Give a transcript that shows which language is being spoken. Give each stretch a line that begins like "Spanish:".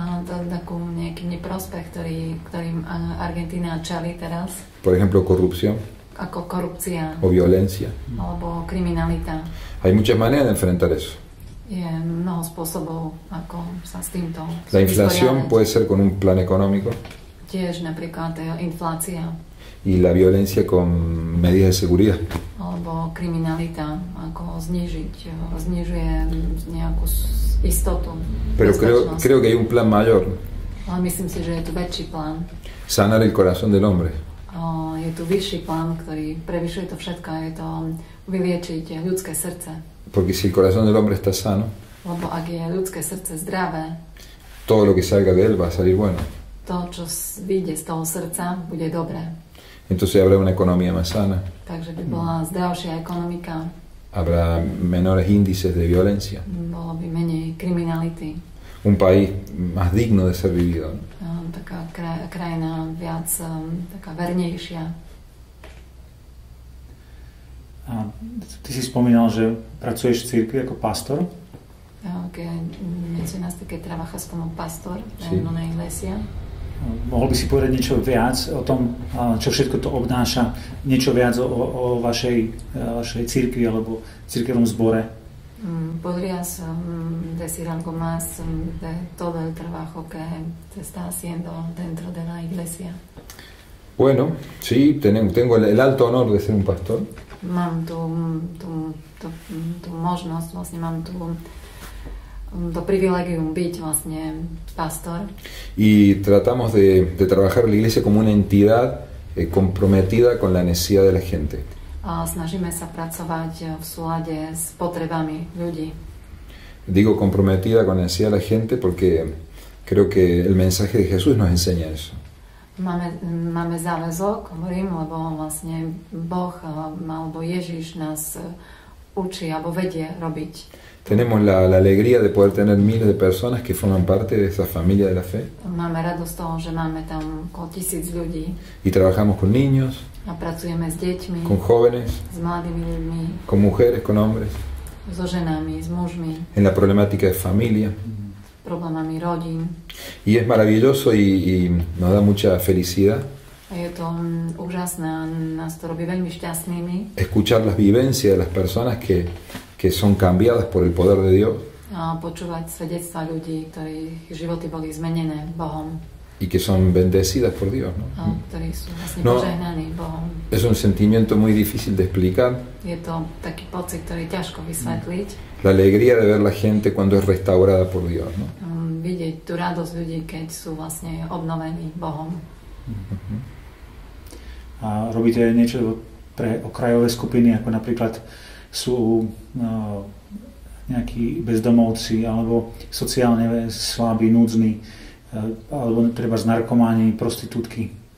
Slovak: Takú nejaký neprospech, ktorým Argentina čelí teraz.
Spanish: Por ejemplo, corrupción.
Slovak: Ako korupcia.
Spanish: O violencia.
Slovak: Alebo kriminalita.
Spanish: Hay muchas maneras de enfrentar eso.
Slovak: Je mnoho spôsobov, ako sa s týmto
Spanish: La inflación puede ser con un plan económico.
Slovak: Tiež napríklad inflácia.
Spanish: Y la violencia con medidas de seguridad.
Slovak: Alebo kriminalita, ako znižuje nejakú istotu.
Spanish: Pero creo que hay un plan mayor.
Slovak: Ale myslím si, že je tu väčší plán.
Spanish: Sanar el corazón del hombre.
Slovak: Je tu vyšší plán, ktorý prevyšuje to všetko. Je to vyliečiť ľudské srdce.
Spanish: Porque si el corazón del hombre está sano.
Slovak: Lebo ak je ľudské srdce zdravé.
Spanish: Todo lo que salga de él va a salir bueno.
Slovak: To, čo vyjde z toho srdca, bude dobré.
Spanish: Entonces habrá una economía más sana.
Slovak: Takže by bola zdravšia ekonomika.
Spanish: Habrá menores índices de violencia.
Slovak: Bolo by menej kriminality.
Spanish: Un país más digno de ser vivido.
Slovak: Taká krajina viac taká vernejšia. Ty si spomínal, že pracuješ v cirkvi ako pastor.
Spanish: Mencionas que trabajas como pastor en una iglesia.
Slovak: Mohol by si povedať niečo viac o tom, čo všetko to obnáša, niečo viac o vašej cirkvi alebo cirkevnom zbore?
Spanish: Podrías decir algo más de todo el trabajo que se está haciendo dentro de la iglesia? Bueno, sí, tengo el alto honor de ser un pastor.
Slovak: Mám tu možnosť, vlastne mám to privilegium byť vlastne pastor.
Spanish: Y tratamos de trabajar la iglesia como una entidad comprometida con la necesidad de la gente.
Slovak: A snažíme sa pracovať v súlade s potrebami ľudí.
Spanish: Digo comprometida con la necesidad de la gente porque creo que el mensaje de Jesús nos enseña eso.
Slovak: Máme záväzok, hovorím, lebo vlastne Boh alebo Ježiš nás učí alebo vedie robiť.
Spanish: tenemos la alegría de poder tener miles de personas que forman parte de esa familia de la fe.
Slovak: Máme radosť toho, že máme tam okolo 1000 ľudí.
Spanish: Y trabajamos con niños.
Slovak: A pracujeme s deťmi.
Spanish: Con jóvenes.
Slovak: S mladými ľuďmi.
Spanish: Con mujeres, con hombres.
Slovak: So ženami, s mužmi.
Spanish: En la problemática de familia.
Slovak: Problémami rodín.
Spanish: Y es maravilloso y nos da mucha felicidad.
Slovak: A je to úžasné, nás to robí veľmi šťastnými.
Spanish: Escuchar las vivencias de las personas que son cambiadas por el poder de Dios.
Slovak: A počúvať svedectvá ľudí, ktorých životy boli zmenené Bohom.
Spanish: Y que son bendecidas por Dios, ¿no?
Slovak: A ktorí sú vlastne požehnaní Bohom.
Spanish: Es un sentimiento muy difícil de explicar.
Slovak: Je to taký pocit, ktorý je ťažko vysvetliť.
Spanish: La alegría de ver la gente cuando es restaurada por Dios, ¿no?
Slovak: Vidieť tú radosť ľudí, keď sú vlastne obnovení Bohom. A robíte niečo pre okrajové skupiny, ako napríklad sú nejakí bezdomovci alebo sociálne slabí, núdzni, alebo treba z narkománi, prostitútky.